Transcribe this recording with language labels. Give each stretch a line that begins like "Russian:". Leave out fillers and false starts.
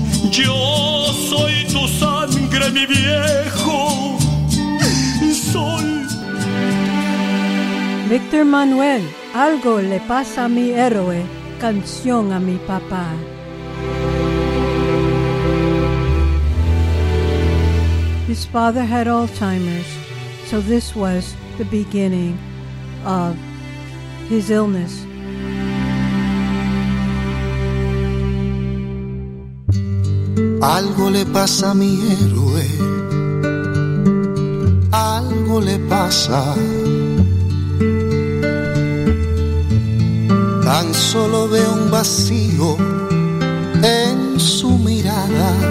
Spanish: Yo soy tu sangre, mi viejo, y soy... Víctor Manuel, algo le pasa a mi héroe, canción a mi papá.
English: His father had Alzheimer's, so this was the beginning of his illness.
Spanish: Algo le pasa a mi héroe, algo le pasa. Tan solo veo un vacío en su mirada.